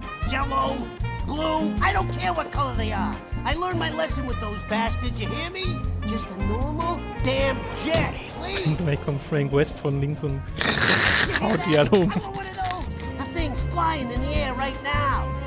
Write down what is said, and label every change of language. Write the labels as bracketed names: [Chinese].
[English] Yellow, blue, I don't care what color they are. I learned my lesson with those bastards, you hear me? Just a normal damn jet. [German] Und gleich kommt Frank West von links und... Oh, die hat um. [English] The thing's flying in the air right now.